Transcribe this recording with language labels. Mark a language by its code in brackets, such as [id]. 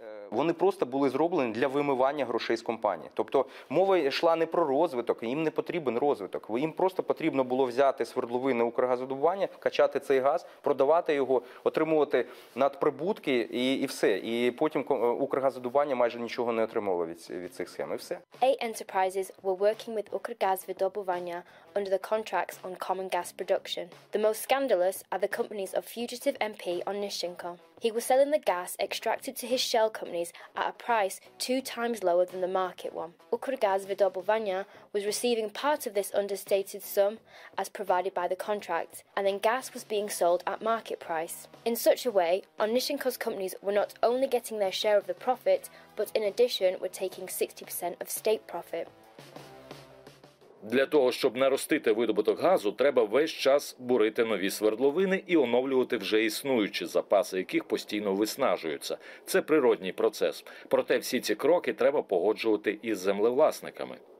[uk] Вони просто були зроблені для вимивання грошей з компанії. Тобто мова йшла не про розвиток, їм не потрібен розвиток. Їм просто потрібно було взяти свердловини «Укргазвидобування», качати цей газ, продавати його, отримувати надприбутки і все. І потім «Укргазвидобування» майже нічого не отримувало від цих схем. І все. [en] Eight enterprises were working with «Укргазвидобування» under the contracts on common gas production. The most scandalous are the companies of fugitive MP Onishchenko. He was selling the gas extracted to his shell companies at a price two times lower than the market one. Ukrgazvidobuvanya was receiving part of this understated sum as provided by the contract, and then gas was being sold at market price. In such a way, Onishchenko's companies were not only getting their share of the profit, but in addition were taking 60% of state profit. [uk] Для того, щоб наростити видобуток газу, треба весь час бурити нові свердловини і оновлювати вже існуючі запаси, яких постійно виснажуються. Це природній процес. Проте всі ці кроки треба погоджувати із землевласниками.